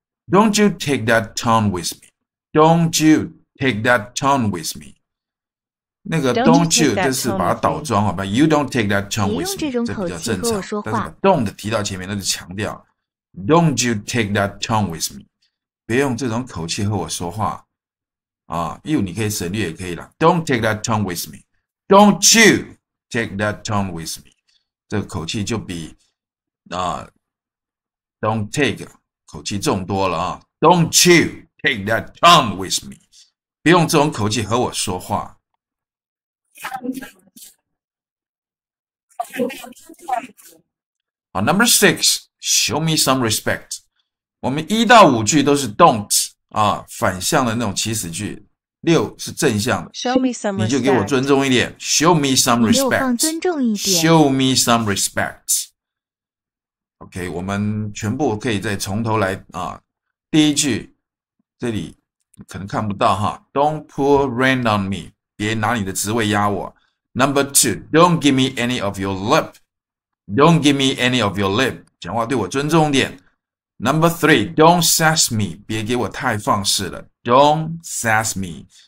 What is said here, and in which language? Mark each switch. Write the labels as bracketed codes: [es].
[en] Don't you take that tone with me? Don't you take that tone with me? [zh] 那个 [en] don't you [zh] 就是把它倒装好吧 [en] ？You don't take that tone with me. [zh] 这比较正常。但是 don't 提到前面，那就强调。 [en] Don't you take that tone with me? [zh] 别用这种口气和我说话。啊，you你可以省略也可以啦。 [en] Don't take that tone with me. Don't you take that tone with me. [zh] 这个口气就比 [en] don't take [zh] 口气重多了啊。 [en] Don't you take that tone with me. [zh] 不用这种口气和我说话。 [en] 好 ,number six, show me some respect. [zh] 我们一到五句都是 don't, 啊反向的那种祈使句。六是正向的 [en] show me some respect. [zh] 你就给我尊重一点 [en] show me some respect [zh] 你又放尊重一点 [en] show me some respect OK [zh] 我们全部可以再从头来啊。 [en] 第一句这里可能看不到哈 Don't pull rein on me [zh] 别拿你的职位压我 [en] Number two Don't give me any of your lip Don't give me any of your lip [zh] 讲话对我尊重一点 [en] Number three Don't sass me [zh] 别给我太放肆了 [en] Don't sass me.